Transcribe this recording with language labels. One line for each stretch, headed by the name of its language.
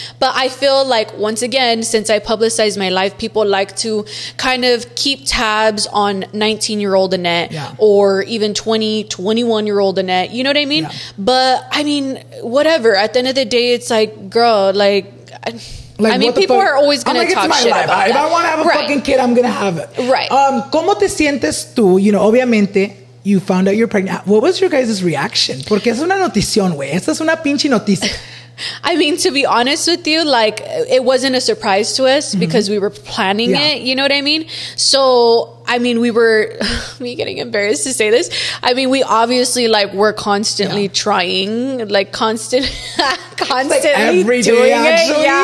English: But I feel like once again, since I publicized my life, people like to kind of keep tabs on 19-year-old Annette or even 20-21 year old Annette, you know what I mean? But I mean, whatever, at the end of the day, it's like, girl, like, I mean, people are always gonna talk shit about that. If I want to have a fucking kid, I'm gonna have it, right?
Spanish: ¿Cómo te sientes tú?
English: You know, obviamente you found out you're pregnant. What was your guys' reaction?
Spanish: Porque es una notición, güey. Esta es una pinche noticia.
English: I mean, to be honest with you, like, it wasn't a surprise to us because we were planning it, you know what I mean? So, I mean, we were, getting embarrassed to say this. I mean, we obviously, like, were constantly trying, like, constantly like every day, doing actually, it.